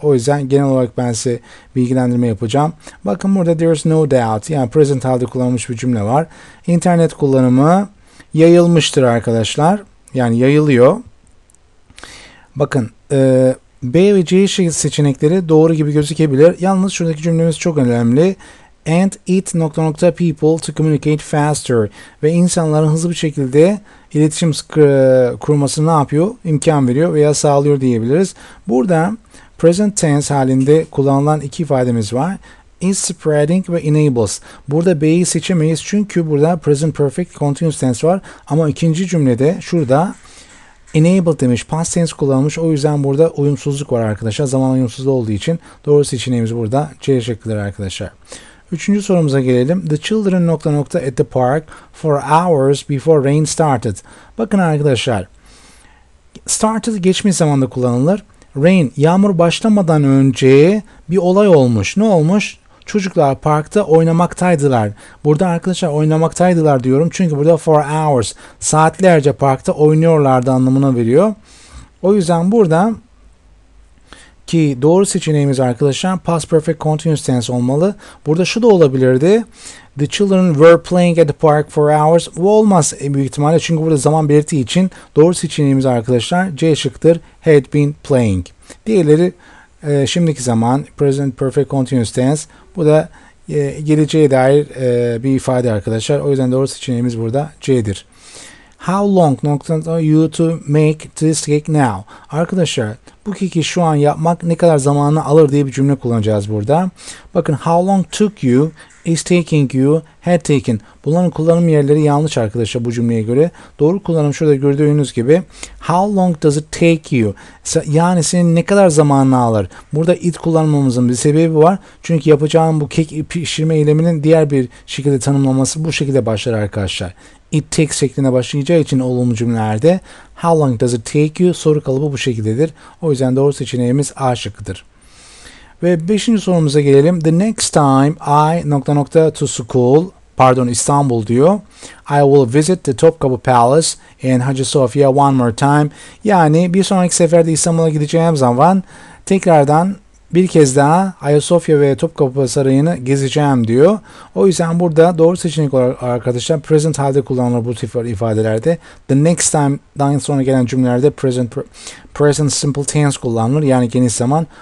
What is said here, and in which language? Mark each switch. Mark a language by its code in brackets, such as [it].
[tr] O yüzden genel olarak ben size bilgilendirme yapacağım. Bakın burada [en] there is no doubt, [tr] yani present halde kullanılmış bir cümle var. İnternet kullanımı yayılmıştır arkadaşlar. Yani yayılıyor. Bakın B ve C seçenekleri doğru gibi gözükebilir. Yalnız şuradaki cümlemiz çok önemli. [en] And it [tr] nokta nokta [en] people to communicate faster. [tr] Ve insanların hızlı bir şekilde iletişim kurması ne yapıyor? İmkan veriyor veya sağlıyor diyebiliriz. Burada present tense halinde kullanılan iki ifademiz var. Is spreading ve enables. Burada B'yi seçemeyiz çünkü burada present perfect continuous tense var. Ama ikinci cümlede şurada enable demiş. Past tense kullanmış. O yüzden burada uyumsuzluk var arkadaşlar. Zaman uyumsuzluğu olduğu için doğru seçeneğimiz burada C şıkkıdır arkadaşlar. [en] Üçüncü sorumuza gelelim. The children [tr] nokta nokta [en] at the park for hours before rain started. [tr] Bakın arkadaşlar. Started geçmiş zamanda kullanılır. Rain yağmur başlamadan önce bir olay olmuş. Ne olmuş? Çocuklar parkta oynamaktaydılar. Burada arkadaşlar oynamaktaydılar diyorum. Çünkü burada [en] for hours [tr] saatlerce parkta oynuyorlardı anlamına veriyor. O yüzden burada ki doğru seçeneğimiz arkadaşlar past perfect continuous tense olmalı. Burada şu da olabilirdi. [en] The children were playing at the park for hours. [tr] Bu olmaz büyük ihtimalle. Çünkü burada zaman belirttiği için doğru seçeneğimiz arkadaşlar C şıktır. [en] Had been playing. [tr] Diğerleri şimdiki zaman present perfect continuous tense. Bu da geleceğe dair bir ifade arkadaşlar. O yüzden doğru seçeneğimiz burada C'dir. [en] How long [tr] nokta nokta [en] you to make this cake now? [tr] Arkadaşlar bu keki şu an yapmak ne kadar zamanı alır diye bir cümle kullanacağız burada. Bakın [en] how long took you, is taking you, had taken. [tr] Bunların kullanım yerleri yanlış arkadaşlar bu cümleye göre. Doğru kullanım şurada gördüğünüz gibi. [en] How long does it take you? [tr] Yani senin ne kadar zamanını alır? Burada it kullanmamızın bir sebebi var. Çünkü yapacağım bu kek pişirme eyleminin diğer bir şekilde tanımlaması bu şekilde başlar arkadaşlar. It takes şeklinde başlayacağı için olumlu cümlelerde [en] how long does it take you [tr] soru kalıbı bu şekildedir. O yüzden doğru seçeneğimiz A şıkkıdır. Ve 5. sorumuza gelelim. [en] The next time I [tr] nokta nokta [en] to school, [tr] pardon İstanbul diyor. [en] I will visit the Topkapı Palace and Hagia Sophia one more time. [tr] Yani bir sonraki seferde İstanbul'a gideceğim zaman tekrardan bir kez daha Ayasofya ve Topkapı Sarayı'nı gezeceğim diyor. O yüzden burada doğru seçenek olarak arkadaşlar present halde kullanılır bu tip ifadelerde. The next time daha sonra gelen cümlelerde present simple tense kullanılır. Yani geniş zaman.